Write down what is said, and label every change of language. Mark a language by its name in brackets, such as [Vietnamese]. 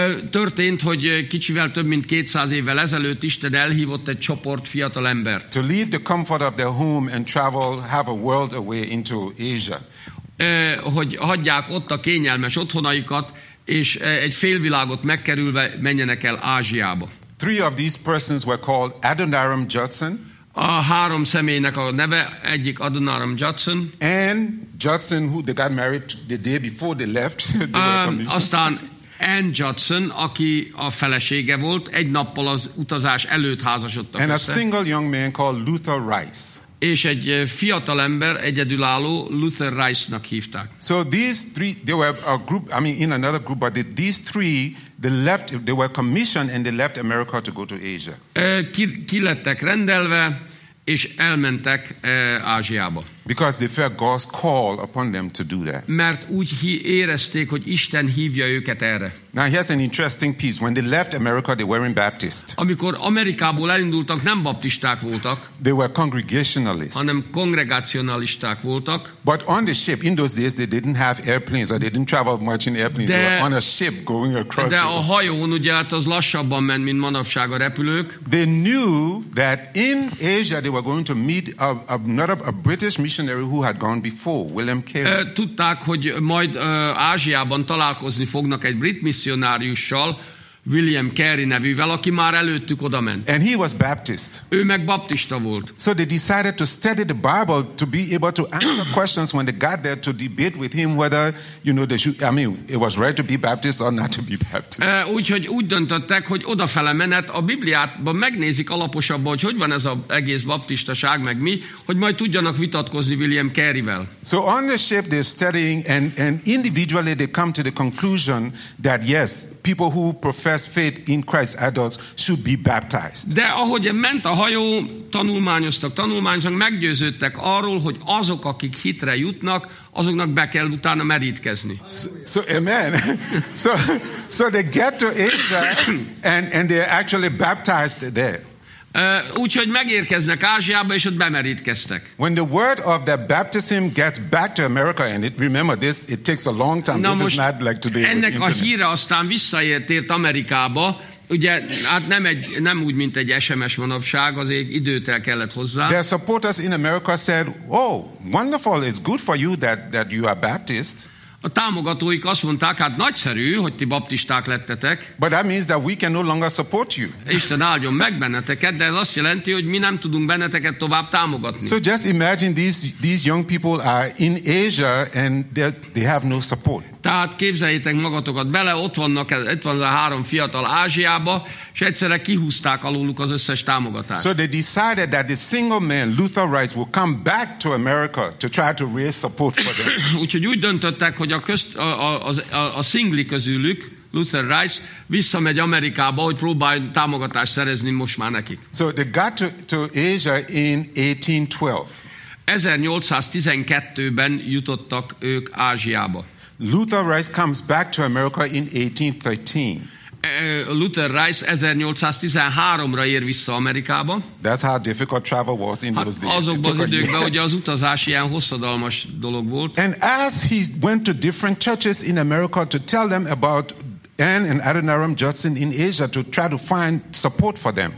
[Hungarian] Történt, hogy kicsivel több mint 200 évvel ezelőtt Isten elhívott egy csoport fiatal embert. [English] To leave the comfort of their home and travel half a world away into Asia. [Hungarian] Hogy hagyják ott a kényelmes otthonaikat, és egy félvilágot megkerülve menjenek el Ázsiába. [English] Three of these persons were called Adoniram Judson. [Hungarian] A három személynek a neve egyik Adoniram Judson. [English] And Judson, who they got married the day before they left. [Hungarian] Aztán Ann Judson, aki a felesége volt, egy nappal az utazás előtt házasodtak [English] and [Hungarian] össze. [English] And a single young man called Luther Rice. [Hungarian] És egy fiatal ember, egyedülálló Luther Rice-nak hívták. [English] So these three, they were a group, I mean in another group, but these three, they left, they were commissioned and they left America to go to Asia. [Hungarian] Kilettek rendelve, és elmentek Ázsiába. [English] Because they felt God's call upon them to do that. [Hungarian] Mert úgy érezték, hogy Isten hívja őket erre. [English] Now here's an interesting piece. When they left America, they weren't Baptist. [Hungarian] Amikor Amerikából elindultak, nem baptisták voltak. [English] They were Congregationalists. [Hungarian] Hanem kongregacionalisták voltak. [English] But on the ship, in those days, they didn't have airplanes, or they didn't travel much in airplanes. They were on a ship going across. [Hungarian] De a hajón, ugye, hát az lassabban ment, mint manapság a repülők. [English] They knew that in Asia they were going to meet a British missionary who had gone before, William Carey. [Hungarian] Tudták, hogy majd Ázsiában találkozni fognak egy brit misszionáriussal, William Carey nevűvel, aki már előttük odament. [English] And he was Baptist. [Hungarian] Ő meg baptista volt. [English] So they decided to study the Bible to be able to answer questions when they got there to debate with him whether, you know, they should, I mean, it was right to be Baptist or not to be Baptist. [Hungarian] Úgyhogy úgy döntöttek, hogy odafele menet a Bibliában megnézik alaposabban, hogy hogy van ez az egész baptistaság meg mi, hogy majd tudjanak vitatkozni William Careyvel. [English] So on the ship they're studying and individually they come to the conclusion that yes, people who profess faith in Christ adults should be baptized. [Hungarian] De ahogy ment a hajó, tanulmányoztak, meggyőződtek arról, hogy azok, akik hitre jutnak, azoknak be kell utána merítkezni. [English] So amen. So they get to Asia and they're actually baptized there. [Hungarian] Úgyhogy megérkeznek Ázsiába, és ott bemerítkeztek. [English] When the word of the baptism gets back to America, and it, remember this, it takes a long time. Na this is not like today. [Hungarian] Ennek a híre aztán visszaért Amerikába, ugye, hát nem úgy, mint egy SMS manapság, azért időt el kellett hozzá. [English] Their supporters in America said, oh, wonderful, it's good for you that you are Baptist. [Hungarian] A támogatóik azt mondták, hát nagyszerű, hogy ti baptisták lettetek. [English] But that means that we can no longer support you. [Hungarian] Isten áldjon meg benneteket, de ez azt jelenti, hogy mi nem tudunk benneteket tovább támogatni. [English] So just imagine these young people are in Asia and they have no support. [Hungarian] Tehát képzeljétek magatokat bele, ott vannak, itt van a három fiatal Ázsiába, és egyszerre kihúzták alóluk az összes támogatást. [English] So they decided that the single man Luther Rice will come back to America to try to raise support for them. [Hungarian] Úgyhogy úgy döntöttek, hogy a szingli közülük Luther Rice visszamegy Amerikába, hogy próbál támogatást szerezni most már nekik. [English] So they got to Asia in 1812. [Hungarian] 1812-ben jutottak ők Ázsiába. [English] Luther Rice comes back to America in 1813. [Hungarian] Luther Rice 1813-ra ér vissza Amerikába. [English] That's how difficult travel was in those days. [Hungarian] Azokban az időkben, ugye az utazás ilyen hosszadalmas dolog volt. [English] And as he went to different churches in America to tell them about Ann and Adoniram Judson in Asia to try to find support for them.